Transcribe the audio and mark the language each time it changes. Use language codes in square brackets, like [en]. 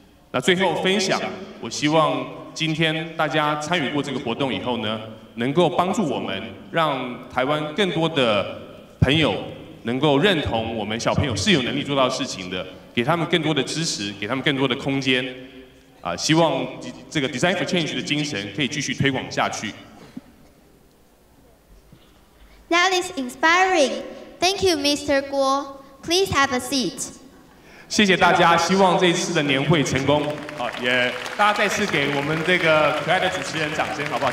[zh] 那最后分享，我希望今天大家参与过这个活动以后呢，能够帮助我们让台湾更多的朋友能够认同我们小朋友是有能力做到事情的，给他们更多的支持，给他们更多的空间，希望这个 Design for Change 的精神可以继续推广下去。 [en] That is inspiring. Thank you, Mr. Guo. Please have a seat. [zh] 谢谢大家，希望这次的年会成功。好，也大家再次给我们这个可爱的主持人掌声，好不好？